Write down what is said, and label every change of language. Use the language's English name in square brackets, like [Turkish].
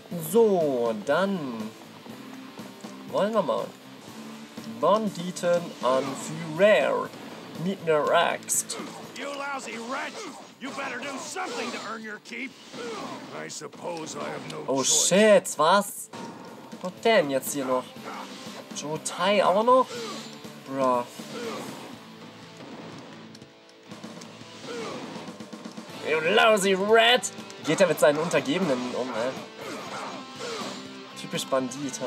[German] So, dann wollen wir mal. Banditen an Führer mit einer Axt. [English] You lousy wretch! You better do something to earn your keep. I suppose I have no oh choice. [German] Shit, was? Was denn jetzt hier noch? Joe Tai auch noch? Bruh. [English] You lousy rat! [German] Geht er mit seinen Untergebenen um, ey? Typisch Bandit, hä?